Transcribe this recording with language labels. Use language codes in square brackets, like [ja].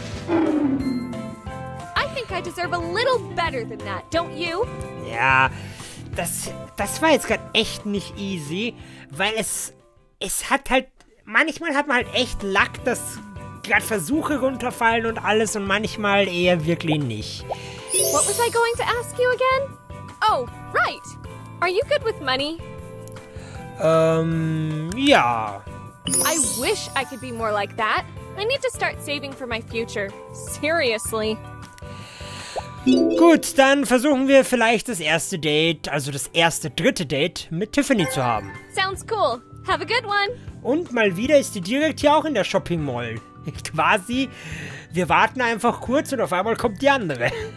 [en] I think I deserve a little better than that, don't you? [de] Ja, das war jetzt gerade echt nicht easy, weil es hat halt... Manchmal hat man halt echt Luck, dass... gerade Versuche runterfallen und alles und manchmal eher wirklich nicht. [en] What was I going to ask you again? Oh, right. Are you good with money? [de] Ja. [en] I wish I could be more like that. I need to start saving for my future. Seriously. [de] Gut, dann versuchen wir vielleicht das erste Date, also das erste dritte Date mit Tiffany zu haben. [en] Sounds cool. Have a good one. [de] Und mal wieder ist sie direkt hier auch in der Shopping Mall. Quasi, wir warten einfach kurz und auf einmal kommt die andere.